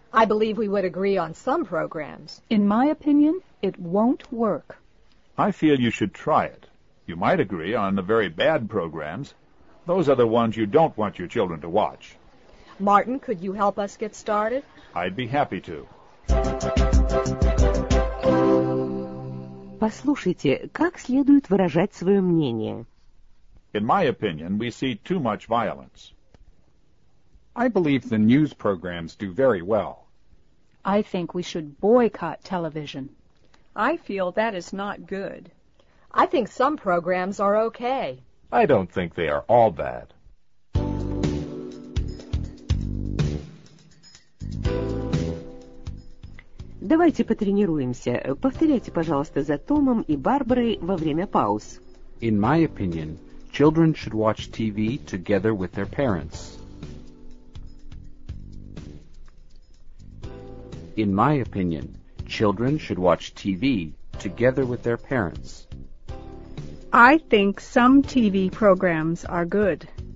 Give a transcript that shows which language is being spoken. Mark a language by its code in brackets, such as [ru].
[en] I believe we would agree on some programs. In my opinion, it won't work. I feel you should try it. You might agree on the very bad programs. Those are the ones you don't want your children to watch. Martin, could you help us get started? I'd be happy to. [ru] Послушайте, как следует выражать свое мнение. [en] In my opinion, we see too much violence. I believe the news programs do very well. I think we should boycott television. I feel that is not good. I think some programs are okay. I don't think they are all bad. [ru] Давайте потренируемся. Повторяйте, пожалуйста, за Томом и Барбарой во время пауз. [en] In my opinion, children should watch TV together with their parents. In my opinion, children should watch TV together with their parents. I think some TV programs are good.